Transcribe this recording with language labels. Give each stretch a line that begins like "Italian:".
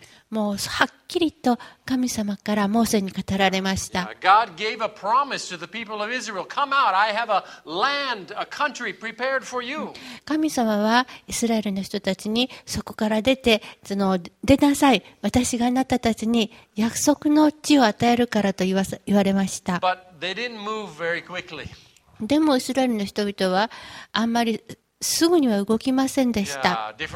Japanese: もうはっきりと神様からモーセに語られました。
English: God gave a promise to the people of Israel. Come out, I have a land, a country prepared for you.
Japanese: 神様はイスラエルの人たちにそこから出て、その出なさい。私があなたたちに約束の地を与えるからと言われました。
English: But they didn't move very quickly.
Japanese: でもイスラエルの人々はあんまりすぐには動きませんでした。